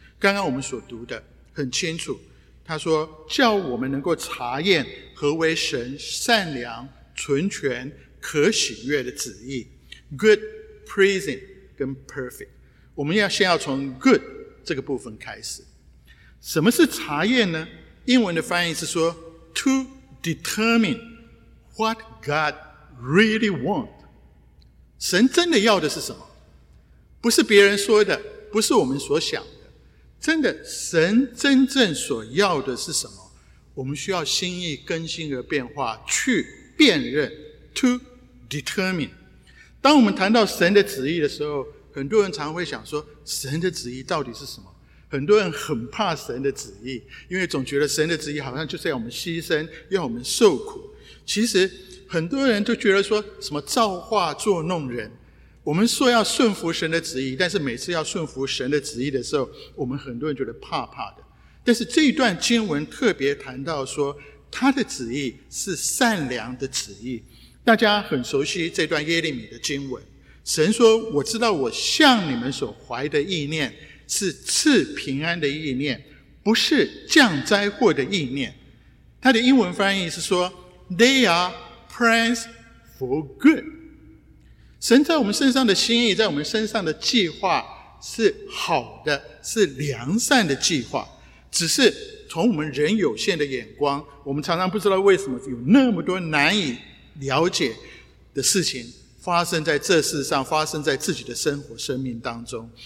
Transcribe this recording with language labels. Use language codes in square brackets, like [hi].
[zh] 刚刚我们所读的很清楚，他说叫我们能够查验何为神善良、纯全、可喜悦的旨意。 [en] Good, pleasing [zh] 跟 [en] perfect。 [zh] 我们要先要从 good 这个部分开始。什么是查验呢？英文的翻译是说 [en] To determine what God really wants。 [zh] 神真的要的是什么？不是别人说的，不是我们所想的，真的神真正所要的是什么？我们需要心意更新而变化，去辨认。 [en] To determine。 [zh] 当我们谈到神的旨意的时候，很多人常会想说神的旨意到底是什么。很多人很怕神的旨意，因为总觉得神的旨意好像就是要我们牺牲，要我们受苦。其实很多人都觉得说什么造化作弄人，我们说要顺服神的旨意，但是每次要顺服神的旨意的时候，我们很多人觉得怕怕的。但是这一段经文特别谈到说他的旨意是善良的旨意。大家很熟悉这段耶利米的经文，神说我知道我向你们所怀的意念是赐平安的意念，不是降灾祸的意念。他的英文翻译是说 [en] They are plans for good。 [zh] 神在我们身上的心意，在我们身上的计划是好的，是良善的计划。只是从我们人有限的眼光，我们常常不知道为什么有那么多难以了解的事情发生在这世上，发生在自己的生活生命当中。